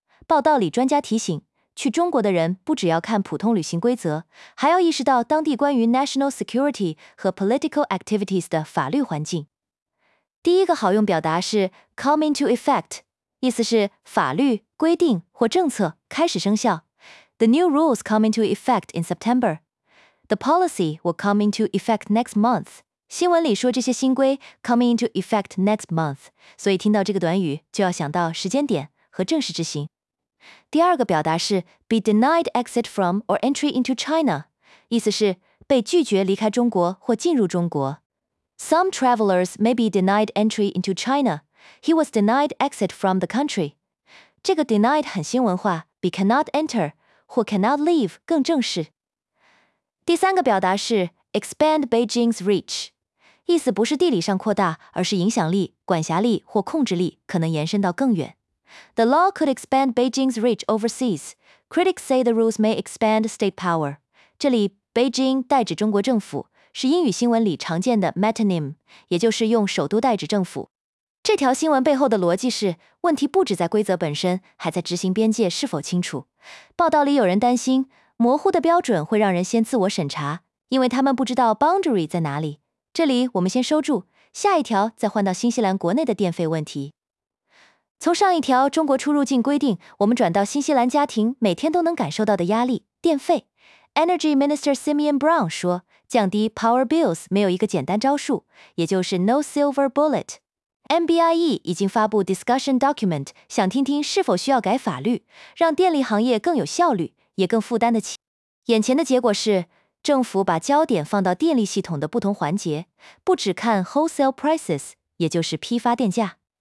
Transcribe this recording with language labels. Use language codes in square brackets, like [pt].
[zh] 报道里专家提醒，去中国的人不只要看普通旅行规则，还要意识到当地关于 national security 和 political activities 的法律环境。第一个好用表达是 come into effect， 意思是法律、规定或政策开始生效。 [en] The new rules come into effect in September. The policy will come into effect next month. [zh] 新闻里说这些新规 [en] come into effect next month， [zh] 所以听到这个短语就要想到时间点和正式执行。第二个表达是 be denied exit from or entry into China， 意思是被拒绝离开中国或进入中国。 [en] Some travelers may be denied entry into China. He was denied exit from the country. [zh] 这个 denied 很新文化， be cannot enter 或 cannot leave 更正式。第三个表达是 expand Beijing's reach， 意思不是地理上扩大，而是影响力、管辖力或控制力可能延伸到更远。 [en] The law could expand Beijing's reach overseas. Critics say the rules may expand state power. [zh] 这里 Beijing 代指中国政府，是英语新闻里常见的 metonym， 也就是用首都代指政府。这条新闻背后的逻辑是，问题不只在规则本身，还在执行边界是否清楚。报道里有人担心，模糊的标准会让人先自我审查，因为他们不知道 boundary 在哪里。这里我们先收住，下一条再换到新西兰国内的电费问题。从上一条中国出入境规定，我们转到新西兰家庭每天都能感受到的压力——电费。 Energy Minister Simeon Brown 说，降低 power bills 没有一个简单招数，也就是 [en] no silver bullet。 [zh] MBIE 已经发布 discussion document， 想听听是否需要改法律，让电力行业更有效率，也更负担得起。眼前的结果是，政府把焦点放到电力系统的不同环节，不只看 wholesale prices， 也就是批发电价。